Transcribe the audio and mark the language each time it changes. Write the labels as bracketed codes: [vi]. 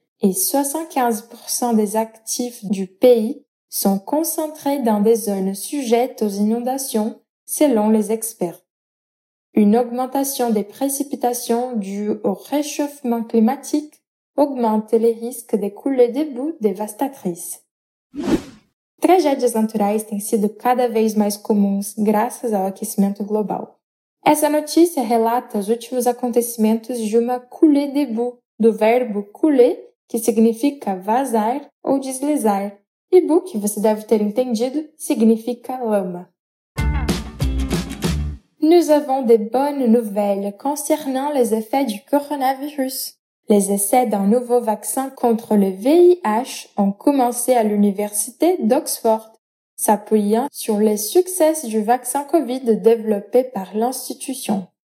[fr] et 75% des actifs du pays sont concentrés dans des zones sujettes aux inondations, selon les experts. Une augmentation des précipitations due au réchauffement climatique augmente les risques de couler des boues dévastatrices. [pt] Tragédias naturais têm sido cada vez mais comuns graças ao aquecimento global. Essa notícia relata os últimos acontecimentos de uma coulée de boue, do verbo couler, que significa vazar ou deslizar, e boue, que você deve ter entendido, significa lama. [fr] Nous avons de bonnes nouvelles concernant les effets du coronavirus. Les essais d'un nouveau vaccin contre le VIH ont commencé à l'université d'Oxford, s'appuyant sur les succès du vaccin COVID développé par l'institution.